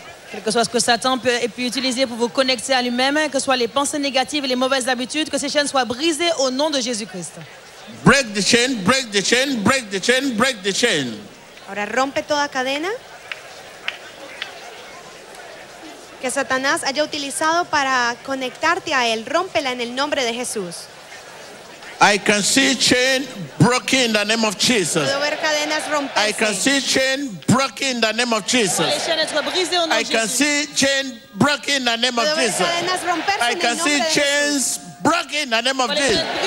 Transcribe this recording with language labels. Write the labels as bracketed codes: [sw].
[fr] Quelque soit ce que Satan peut utiliser pour vous connecter à lui-même, que ce soit les pensées négatives et les mauvaises habitudes, que ces chaînes soient brisées au nom de Jésus-Christ. [en] Break the chain, break the chain, break the chain, break the chain. [es] Ahora rompe toda cadena que Satanás haya utilizado para conectarte a él. Rómpela en el nombre de Jesús. [en] I can see chain broken in the name of Jesus. [es] Puedo ver cadenas romperse. [en] I can see chain broken in the name of Jesus. I can see chain broken in the name of Jesus. I can see chains broken in the name of Jesus.